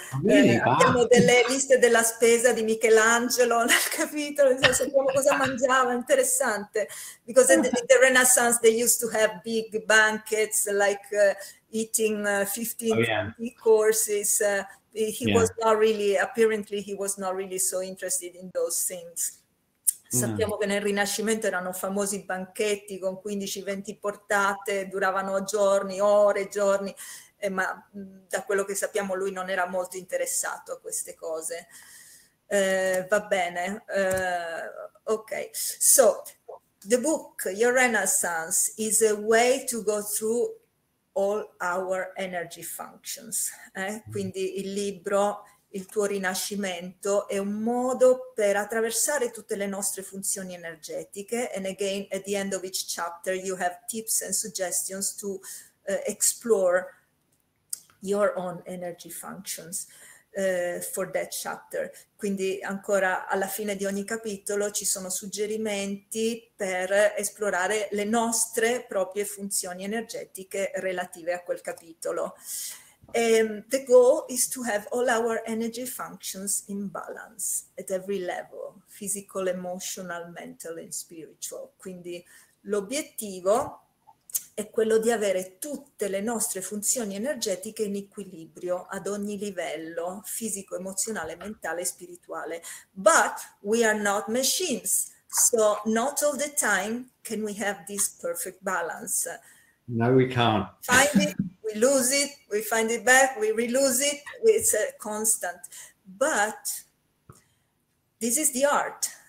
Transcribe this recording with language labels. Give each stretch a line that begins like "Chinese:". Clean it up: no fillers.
Italian: Abbiamo delle liste della spesa di Michelangelo nel capitolo, sappiamo cosa mangiava. Interessante,
English: because in the Renaissance they used to have big banquets, like eating 15 courses. Was not really, apparently he was not really so interested in those things.
Italian: Sappiamo che nel Rinascimento erano famosi banchetti con 15-20 portate, duravano giorni, ore, giorni, ma da quello che sappiamo lui non era molto interessato a queste cose. Va bene, ok.
English: So, the book, Your Renaissance, is a way to go through all our energy functions.
Italian: Quindi il libro... Il tuo Rinascimento è un modo per attraversare tutte le nostre funzioni energetiche.
English: And again, at the end of each chapter, you have tips and suggestions to explore your own energy functions for that chapter.
Italian: Quindi ancora alla fine di ogni capitolo ci sono suggerimenti per esplorare le nostre proprie funzioni energetiche relative a quel capitolo.
English: The goal is to have all our energy functions in balance at every level, physical, emotional, mental and spiritual.
Italian: Quindi l'obiettivo è quello di avere tutte le nostre funzioni energetiche in equilibrio ad ogni livello, fisico, emozionale, mentale e spirituale.
English: But we are not machines, so not all the time can we have this perfect balance. No, we can't. Find it, we lose it, we find it back, we re-lose it. It's a constant. But this is the art.